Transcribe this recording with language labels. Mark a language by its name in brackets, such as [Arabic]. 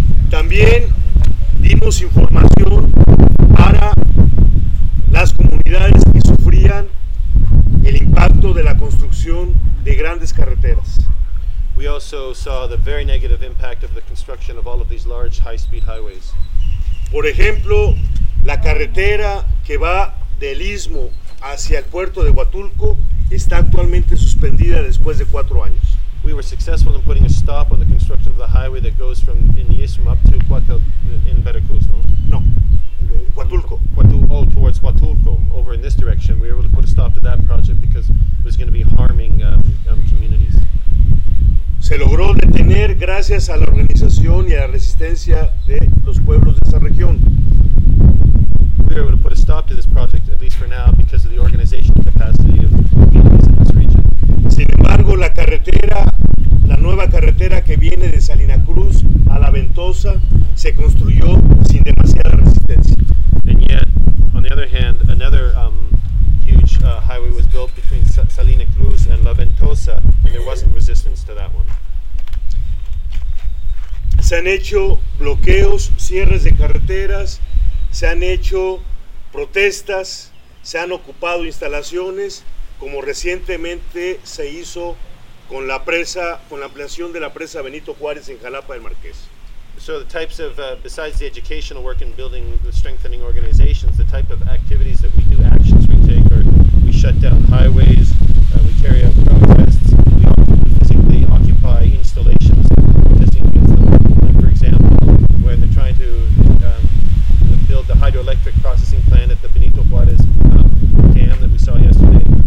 [Spanish] También dimos información para las comunidades que sufrían el impacto de la construcción de grandes carreteras. [English] We also saw the very negative impact of the construction of all of these large high-speed highways. [Spanish] Por ejemplo, la carretera que va del Istmo hacia el puerto de Huatulco está actualmente suspendida después de 4 años. [English] We were successful in putting a stop on the construction of the highway that goes from in the Istmo up to Huatulco in Veracruz, no? [Spanish] No. Huatulco. [English] Oh, towards Huatulco, over in this direction. We were able to put a stop to that project because it was going to be harming communities. [Spanish] Se logró detener gracias a la organización y a la resistencia de los pueblos de esa región. [English] We were able to put a stop to this project, at least for now, because of the organization capacity of communities in this region. [Spanish] Sin embargo, la carretera, la nueva carretera que viene de Salina Cruz a La Ventosa, se construyó sin demasiada resistencia. [English] And yet, on the other hand, another huge highway was built between Salina Cruz and La Ventosa, and there wasn't resistance to that one. [Spanish] Se han hecho bloqueos, cierres de carreteras, se han hecho protestas, se han ocupado instalaciones, como recientemente se hizo con la presa, con la ampliación de la presa Benito Juárez en Jalapa del Marqués. [English] So the types of, besides the educational work and building the strengthening organizations, the type of activities that we do, actions we take, are we shut down highways, we carry out protests, we physically occupy installations, protesting against them. Like for example, where they're trying to build the hydroelectric processing plant at the Benito Juárez dam that we saw yesterday.